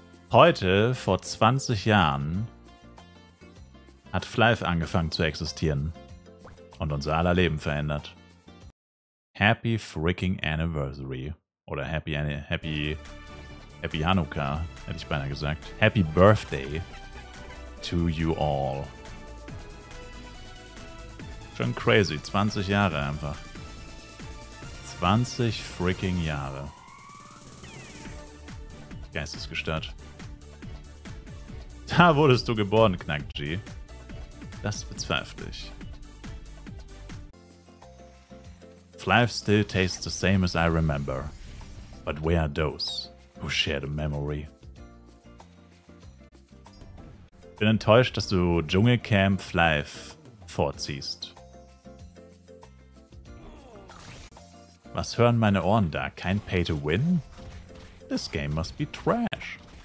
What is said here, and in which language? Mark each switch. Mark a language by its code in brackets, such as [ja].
[de] Heute, vor 20 Jahren, hat Flife angefangen zu existieren und unser aller Leben verändert. [en] Happy freaking Anniversary. [de] Oder [en] Happy Hanukkah, [de] hätte ich beinahe gesagt. [en] Happy Birthday to you all. [de] Schon crazy, 20 Jahre einfach. 20 freaking Jahre. Geistesgestört. Da wurdest du geboren, Knack-G. Das bezweifle ich. [en] Life still tastes the same as I remember. But where are those who share the memory? [de] Bin enttäuscht, dass du Dschungelcamp Life vorziehst. Was hören meine Ohren da? Kein Pay to Win? [en] This game must be trash.